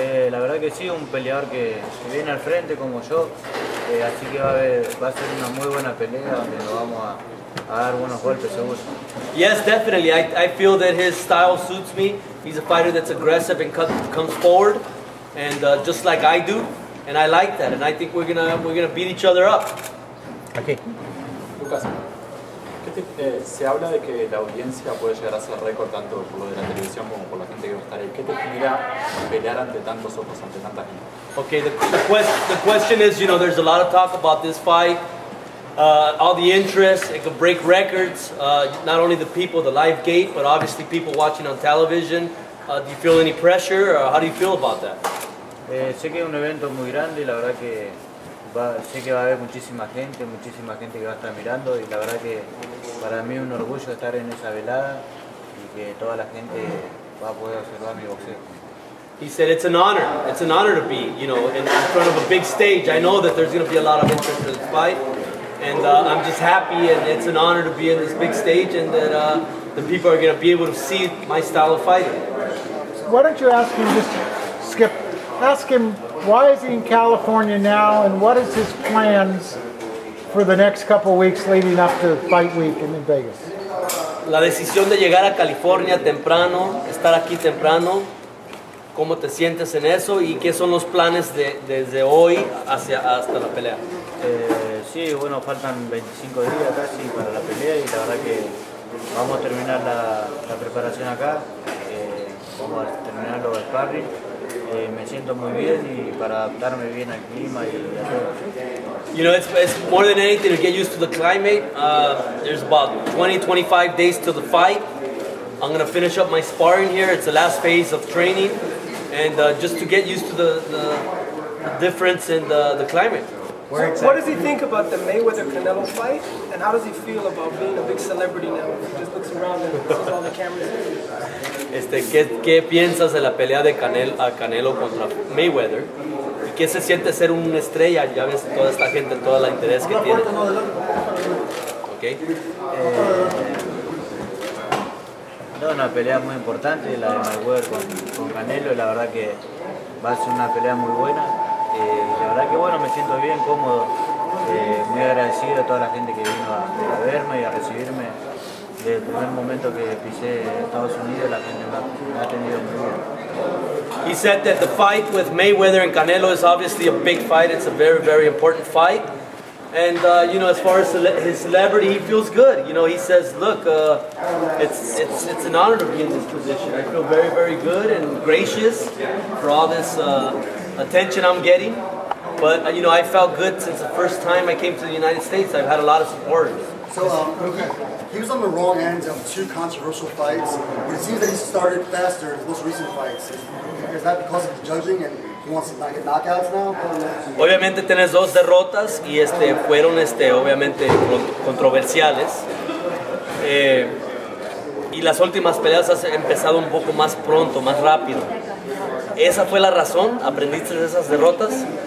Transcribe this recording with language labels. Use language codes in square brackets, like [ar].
[es] La verdad que sí, un peleador que viene al frente como yo, así que va a ser una muy buena pelea donde nos vamos a dar buenos golpes, seguro. [en] Yes, definitely. I feel that his style suits me. He's a fighter that's aggressive and comes forward, and just like I do, and I like that. And I think we're gonna beat each other up. Okay. Lucas. [es] Se habla de que la audiencia puede llegar a ser récord tanto por lo de la televisión como por la gente que va a estar ahí. ¿Qué te genera pelear ante tantos ojos, ante tanta gente? [en] Okay, the question is, you know, there's a lot of talk about this fight, all the interest, it could break records, not only the people, the live gate, but obviously people watching on television. Do you feel any pressure, or how do you feel about that? [es] Sé que es un evento muy grande, la verdad que... Sé que va a haber muchísima gente que va a estar mirando y la verdad que para mí es un orgullo estar en esa velada y que toda la gente va a poder observar mi boxeo. [en] He said it's an honor to be, you know, in front of a big stage. I know that there's going to be a lot of interest in this fight and I'm just happy and it's an honor to be in this big stage and that the people are going to be able to see my style of fighting. Why don't you ask him just skip, ask him why is he in California now, and what is his plans for the next couple of weeks leading up to fight week in Vegas? [es] La decisión de llegar a California temprano, estar aquí temprano, ¿cómo te sientes en eso? ¿Y qué son los planes de, desde hoy hasta la pelea? Sí, bueno, faltan 25 días casi para la pelea, y la verdad que vamos a terminar la preparación acá. Vamos a terminar los sparring. Me siento muy bien y para adaptarme bien al clima y a todo. [en] You know, it's more than anything to get used to the climate. There's about 20-25 days to the fight. I'm gonna finish up my sparring here. It's the last phase of training, and just to get used to the difference in the climate. So what does he think about the Mayweather-Canelo fight, and how does he feel about being a big celebrity now? He just looks around and sees all the cameras. [es] ¿Qué piensas de la pelea de Canelo contra Mayweather? ¿Y qué se siente ser una estrella? Ya ves toda esta gente, toda la interés que tiene. [en] Okay. [es] No, una pelea muy importante, la de Mayweather con Canelo. La verdad que va a ser una pelea muy buena. La verdad que bueno, me siento bien, cómodo, muy agradecido a toda la gente que vino a verme y a recibirme desde el primer momento que pisé Estados Unidos la gente me ha tenido muy bien. [en] He said that the fight with Mayweather and Canelo is obviously a big fight. It's a very, very important fight. And, you know, as far as his celebrity, he feels good. You know, he says, look, it's an honor to be in this position. I feel very, very good and gracious for all this attention I'm getting. But, you know, I felt good since the first time I came to the United States. I've had a lot of supporters. So he was on the wrong end of two controversial fights, but it seems that he started faster in his most recent fights. Is that because of the judging and he wants to get knockouts now? [es] Obviamente tienes dos derrotas y fueron obviamente controversiales. Y las últimas peleas has empezado un poco más pronto, más rápido. ¿Esa fue la razón? ¿Aprendiste de esas derrotas?